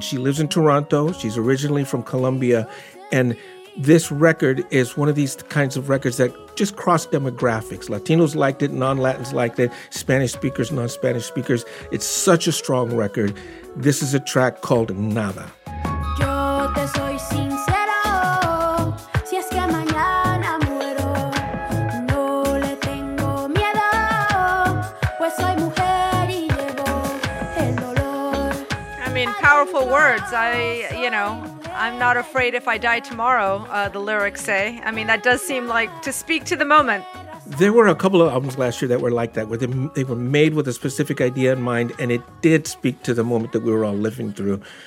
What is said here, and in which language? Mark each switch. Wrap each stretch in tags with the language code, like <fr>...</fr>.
<en>She lives in Toronto. She's originally from Colombia. And this record is one of these kinds of records that just cross demographics. Latinos liked it, non-Latins liked it, Spanish speakers, non-Spanish speakers. It's such a strong record. This is a track called Nada.</en> <es>Yo te soy sincero, si es que mañana muero, no le tengo miedo, pues soy mujer y llevo el dolor.</es> <en>I mean, powerful words. I'm not afraid if I die tomorrow, the lyrics say. I mean, that does seem like to speak to the moment. There were a couple of albums last year that were like that, where they were made with a specific idea in mind, and it did speak to the moment that we were all living through.</en>